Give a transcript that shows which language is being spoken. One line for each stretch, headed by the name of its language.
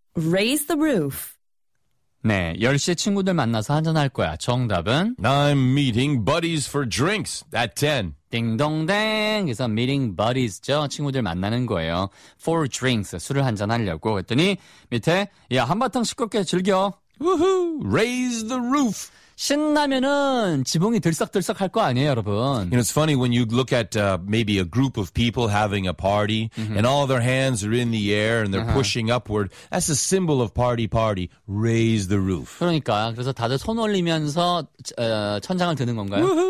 English: Raise the roof.
Korean: 네, 10시에 친구들 만나서 한잔할 거야. 정답은?
English: I'm meeting buddies for drinks at 10.
Korean: 띵동댕. 그래서
English: meeting buddies
Korean: 죠. 친구들 만나는 거예요.
English: For drinks,
Korean: 술을 한잔하려고. 그랬더니 밑에, 야, 한바탕 시끄럽게 즐겨.
English: 우후, raise the roof.
Korean: 신나면은 지붕이 들썩들썩 할 거 아니에요, 여러분.
English: You know, it's funny when you look at maybe a group of people having a party and all their hands are in the air and they're pushing upward. That's a symbol of party. Raise the roof.
Korean: 그러니까 그래서 다들 손 올리면서 천장을 드는 건가요?